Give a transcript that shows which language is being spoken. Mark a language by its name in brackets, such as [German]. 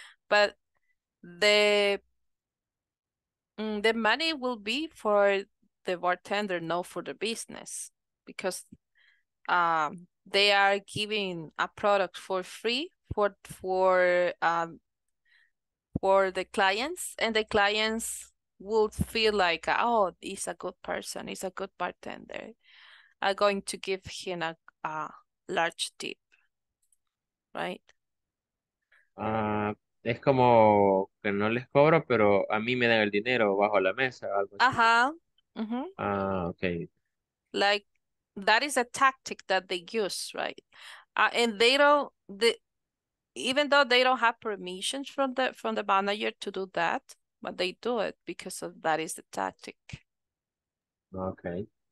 [English] But the money will be for the bartender, not for the business, because they are giving a product for free for the clients, and the clients would feel like, oh, he's a good person, he's a good bartender, I'm going to give him a large tip, right? [Spanish] Es como que no les cobro, pero a mí me dan el dinero bajo la mesa, algo así. Ajá. Uh-huh. Ah, okay. [English] Like, that is a tactic that they use, right? And they even though they don't have permissions from the manager to do that, but they do it because of that is the tactic. Okay.